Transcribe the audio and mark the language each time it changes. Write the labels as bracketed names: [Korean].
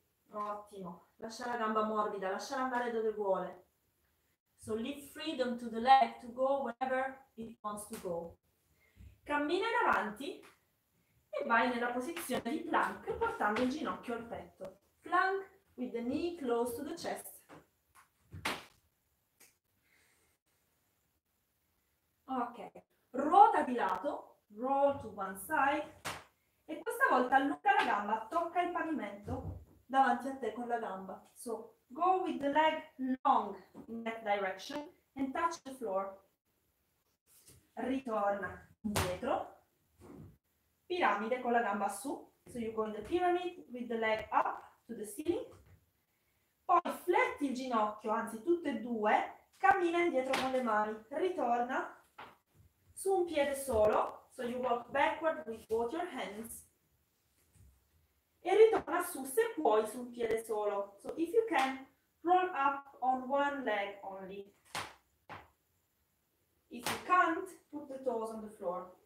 [Italian] Ottimo, lascia la gamba morbida, lasciala andare dove vuole. [English] So leave freedom to the leg to go wherever it wants to go. [Italian] Cammina in avanti e vai nella posizione di plank portando il ginocchio al petto. [English] Plank with the knee close to the chest. [Italian] Ok, ruota di lato, [English] roll to one side [Italian] e questa volta allunga la gamba, tocca il pavimento. Davanti a te con la gamba. [English] So, go with the leg long in that direction and touch the floor. [Italian] Ritorna indietro. Piramide con la gamba su. [English] So, you go in the pyramid with the leg up to the ceiling. [Italian] Poi fletti il ginocchio, anzi tutte e due. Cammina indietro con le mani. Ritorna su un piede solo. [English] So, you walk backward with both your hands. [Italian] E ritorna su, se puoi, su un piede solo. [English] So, if you can, roll up on one leg only. If you can't, put the toes on the floor.